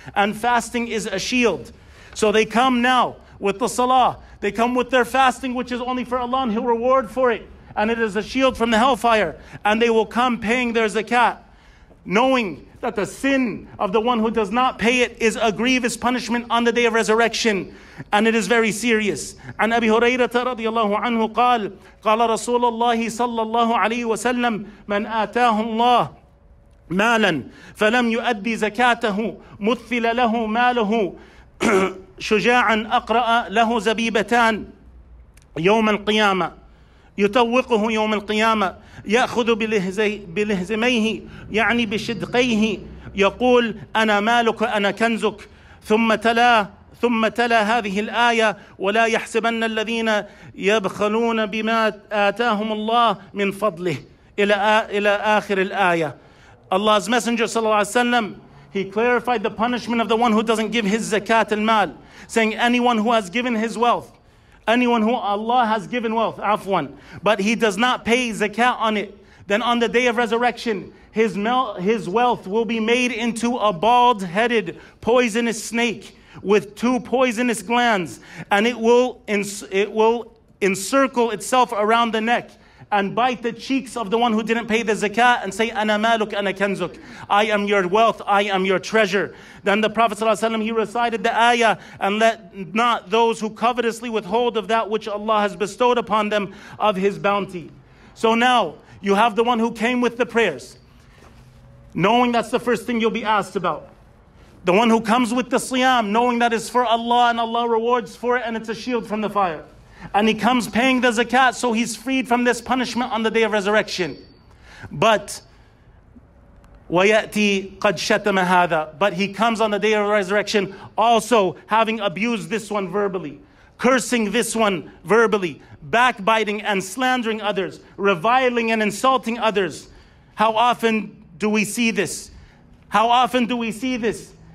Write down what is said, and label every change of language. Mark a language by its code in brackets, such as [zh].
[en] And fasting is a shield. So they come now with the salah. They come with their fasting, which is only for Allah, and he'll reward for it. And it is a shield from the hellfire. And they will come paying their zakat, knowing that the sin of the one who does not pay it is a grievous punishment on the day of resurrection. And it is very serious. [ar] عن أبي هريرة رضي الله عنه قال قال رسول الله صلى الله عليه وسلم من آتاه الله مالا فلم يؤدي زكاته مثل له ماله شجاعا أقرأ له زبيبتان يوم القيامة يتوقه يوم القيامة يأخذ بلهزميه يعني بشدقيه يقول أنا مالك أنا كنزك ثم تلا هذه الآية ولا يحسبن الذين يبخلون بما آتاهم الله من فضله إلى آخر الآية. [en] Allah's Messenger sallallahu alayhi wa sallam, he clarified the punishment of the one who doesn't give his zakat al-mal, saying anyone who has given his wealth, anyone who Allah has given wealth, afwan, but he does not pay zakat on it, then on the day of resurrection, his wealth will be made into a bald-headed, poisonous snake with two poisonous glands, and it will encircle itself around the neck and bite the cheeks of the one who didn't pay the zakat and say, [ar] أنا مالك أنا كنزك. [en] I am your wealth, I am your treasure. Then the Prophet ﷺ, he recited the ayah, and let not those who covetously withhold of that which Allah has bestowed upon them of his bounty. So now, you have the one who came with the prayers, knowing that's the first thing you'll be asked about. The one who comes with the siyam, knowing that it's for Allah and Allah rewards for it and it's a shield from the fire. And he comes paying the zakat, so he's freed from this punishment on the day of resurrection. But [ar] وَيَأْتِي قَدْ شَتَمَ هَذَا. [en] But he comes on the day of resurrection also having abused this one verbally, cursing this one verbally, backbiting and slandering others, reviling and insulting others. How often do we see this? How often do we see this?